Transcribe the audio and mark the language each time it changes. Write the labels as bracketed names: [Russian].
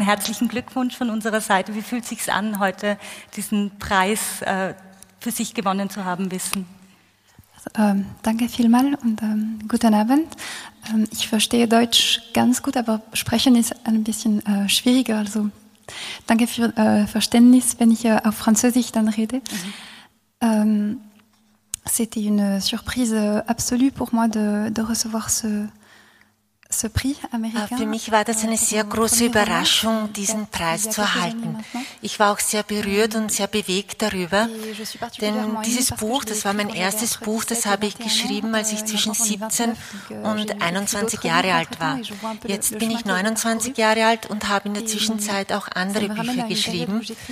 [German] Herzlichen Glückwunsch von unserer Seite. Wie fühlt es sich an, heute diesen Preis für sich gewonnen zu haben, wissen? Danke vielmal und guten Abend. Ich verstehe Deutsch ganz gut, aber sprechen ist ein bisschen schwieriger. Also danke für Verständnis, wenn ich auf Französisch dann rede. Mhm. [French] C'était une surprise absolue pour moi de recevoir ce prix américain. [German] Für mich war das eine sehr große Überraschung, diesen Preis zu erhalten. Ich war auch sehr berührt und sehr bewegt darüber, denn dieses Buch, das war mein erstes Buch, das habe ich geschrieben, als ich zwischen 17 und 21 Jahre alt war. Jetzt bin ich 29 Jahre alt und habe in der Zwischenzeit auch andere Bücher geschrieben.